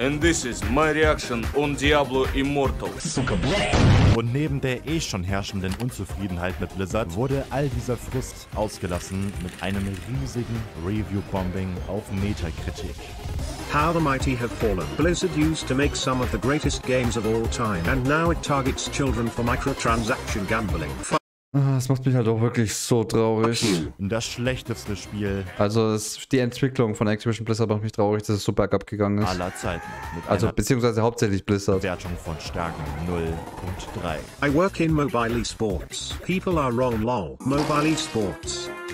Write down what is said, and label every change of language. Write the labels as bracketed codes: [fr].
[en] And this is my reaction on Diablo Immortal. [ru] Сука, бля. [de] Und neben der eh schon herrschenden Unzufriedenheit mit Blizzard wurde all dieser Frust ausgelassen mit einem riesigen Review-Bombing auf Metacritic. [en] How the mighty have fallen. Blizzard used to make some of the greatest games of all time and now it targets children for microtransaction gambling. [de] Das macht mich halt auch wirklich so traurig. Das schlechteste Spiel. Also die Entwicklung von Activision Blizzard macht mich traurig, dass es so bergab gegangen ist. Aller Zeiten. Also beziehungsweise hauptsächlich Blizzard. Wertung von starken 0.3. [en] I work in mobile esports. People are wrong, lol. Mobile esports.